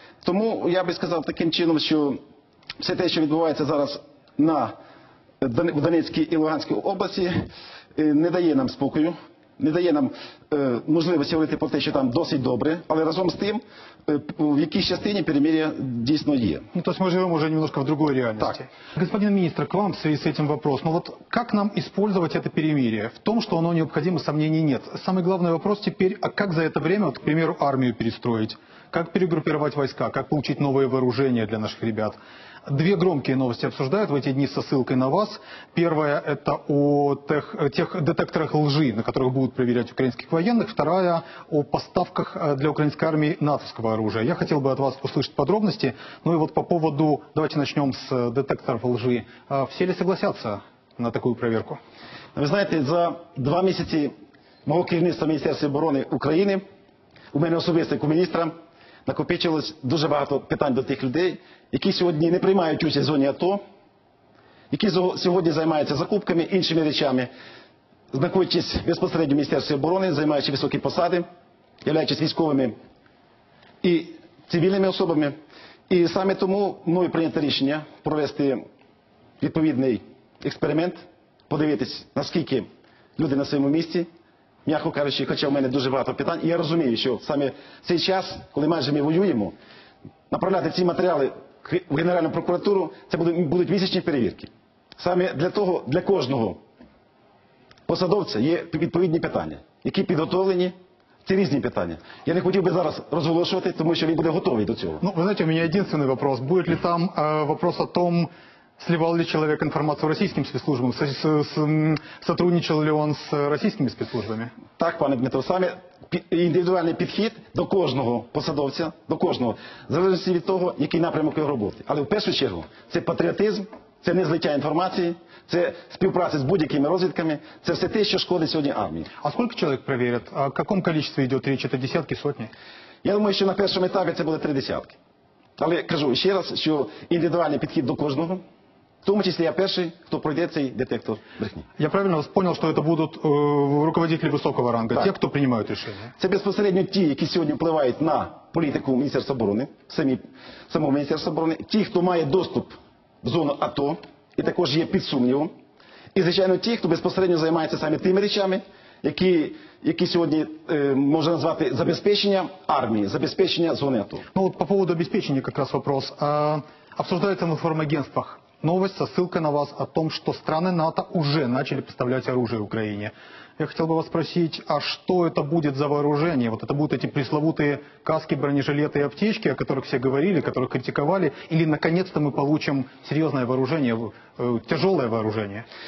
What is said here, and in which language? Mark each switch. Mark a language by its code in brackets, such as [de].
[uk] Тому я би сказав таким чином, що все те, що відбувається зараз на в Донецькій і Луганській області, не дає нам спокою, не дає нам можливості говорити про те, що там досить добре, але разом з тим, в якій частині перемир'я дійсно є. Ну, тобто ми живемо вже немножко в другій реальності. Так. [ru] Господин міністр, к вам в связи з цим вопрос. [uk] Ну, от як нам використовувати це перемир'я? В тому, що воно необхідно, сумнівів нет. Самий головний вопрос тепер, а як за це время, от, к примеру, армію перестроїти? [ru] Как перегруппировать войска, как получить новое вооружение для наших ребят. Две громкие новости обсуждают в эти дни со ссылкой на вас. Первая – это о тех детекторах лжи, на которых будут проверять украинских военных. Вторая – о поставках для украинской армии натовского оружия. Я хотел бы от вас услышать подробности. Ну и вот по поводу, давайте начнем с детекторов лжи. Все ли согласятся на такую проверку? Вы знаете, за два месяца моего [uk] керівництва [ru] Министерства обороны Украины, у меня [uk] особисто, [ru] как у министра, [uk] накопичилось дуже багато питань до тих людей, які сьогодні не приймають участь в зоні АТО, які сьогодні займаються закупками, іншими речами, знаходячись безпосередньо в Міністерстві оборони, займаючи високі посади, являючись військовими і цивільними особами. І саме тому мною прийнято рішення провести відповідний експеримент, подивитись, наскільки люди на своєму місці. М'яко кажучи, хоча в мене дуже багато питань, і я розумію, що саме в цей час, коли майже ми воюємо, направляти ці матеріали в Генеральну прокуратуру, це будуть місячні перевірки. Саме для того, для кожного посадовця є відповідні питання, які підготовлені. Це різні питання. Я не хотів би зараз розголошувати, тому що він буде готовий до цього. Ну, ви знаєте, у мене єдиний вопрос. [ru] Буде ли там вопрос о том, сливал ли человек информацию российским спецслужбам? Сотрудничал ли он с российскими спецслужбами? [uk] Так, пане Дмитро, саме індивідуальний підхід до кожного посадовця, до кожного, в залежності від того, який напрямок його роботи. Але в першу чергу це патріотизм, це незлиття інформації, це співпраця з будь-якими розвідками, це все те, що шкодить сьогодні армії. А скільки чоловік перевірять? О якому кількості йде річ? Це десятки, сотні? Я думаю, що на першому етапі це буде три десятки. Але кажу ще раз, що індивідуальний підхід до кожного. В тому числі я перший, хто пройде цей детектор брехні. Я правильно вас зрозумів, що це будуть руководителі високого рангу, ті, хто приймають рішення? Це безпосередньо ті, які сьогодні впливають на політику Міністерства оборони, самого Міністерства оборони, ті, хто має доступ в зону АТО і також є під сумнівом. І, звичайно, ті, хто безпосередньо займається саме тими речами, які сьогодні можна назвати забезпечення армії, забезпечення зони АТО. Ну, от по поводу забезпечення якраз вопрос. Обсуждається в інформагентствах. [ru] Новость со ссылкой на вас о том, что страны НАТО уже начали поставлять оружие Украине. Я хотел бы вас спросить, а что это будет за вооружение? Вот это будут эти пресловутые каски, бронежилеты и аптечки, о которых все говорили, которых критиковали? Или, наконец-то, мы получим серьезное вооружение, тяжелое вооружение?